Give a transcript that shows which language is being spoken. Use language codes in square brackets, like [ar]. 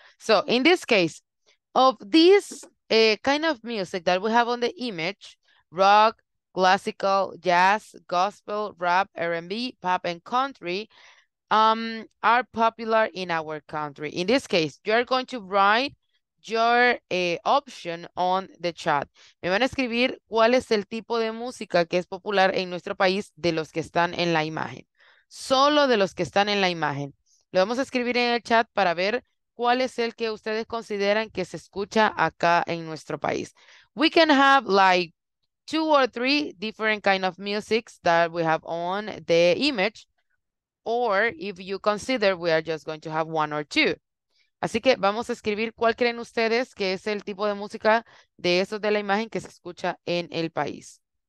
[en] So, in this case, of this kind of music that we have on the image, rock, classical, jazz, gospel, rap, R&B, pop, and country, are popular in our country. In this case, you are going to write your option on the chat. [es] Me van a escribir cuál es el tipo de música que es popular en nuestro país de los que están en la imagen. Solo de los que están en la imagen. Lo vamos a escribir en el chat para ver cuál es el que ustedes consideran que se escucha acá en nuestro país. [en] We can have like two or three different kind of musics that we have on the image. Or if you consider, we are just going to have one or two. [es] Así que vamos a escribir cuál creen ustedes que es el tipo de música de esos de la imagen que se escucha en el país.